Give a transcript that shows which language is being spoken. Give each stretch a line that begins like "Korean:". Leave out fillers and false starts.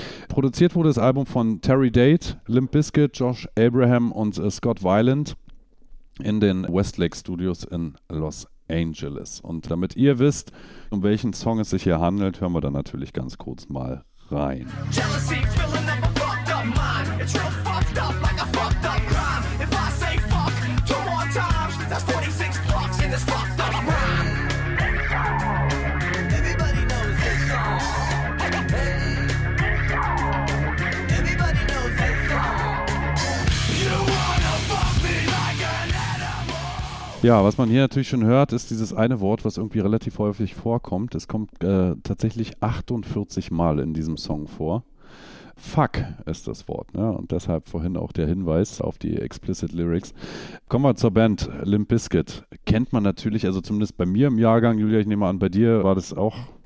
German: Produziert wurde das Album von Terry Date, Limp Bizkit, Josh Abraham und Scott Weiland in den Westlake Studios in Los Angeles. Und damit ihr wisst, um welchen Song es sich hier handelt, hören wir dann natürlich ganz kurz mal rein.
English: Jealousy, filling up a fucked up mind. It's real fucked up like a fucked up crime. If I say fuck two more times, that's 46 fucks in this fucked up rhyme. Everybody knows this song. Everybody knows this song. You wanna fuck me like an animal.
German: Ja, was man hier natürlich schon hört, ist dieses eine Wort, was irgendwie relativ häufig vorkommt. Es kommt tatsächlich 48 Mal in diesem Song vor. Fuck ist das Wort, ne? Und deshalb vorhin auch der Hinweis auf die explicit Lyrics. Kommen wir zur Band Limp Bizkit. Kennt man natürlich, also zumindest bei mir im Jahrgang, Julia, ich nehme an, bei dir war das auch...